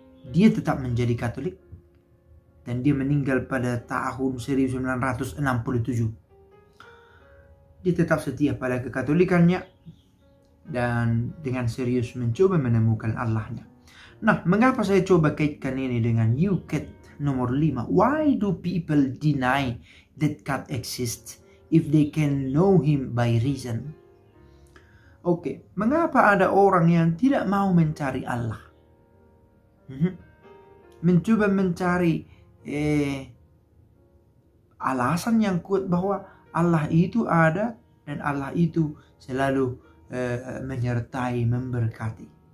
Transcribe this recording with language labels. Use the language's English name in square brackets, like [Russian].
[Indonesian] Dia tetap menjadi Katolik dan dia meninggal pada tahun 1967. Dia tetap setia pada kekatolikannya dan dengan serius mencoba menemukan Allahnya. Nah, mengapa saya coba kaitkan ini dengan UKIP nomor 5? [English] Why do people deny that God exists if they can know him by reason? [Indonesian] Okay, mengapa ada orang yang tidak mau mencari Allah? Mencoba mencari alasan yang kuat bahwa Allah itu ada dan Allah itu selalu menyertai, memberkati.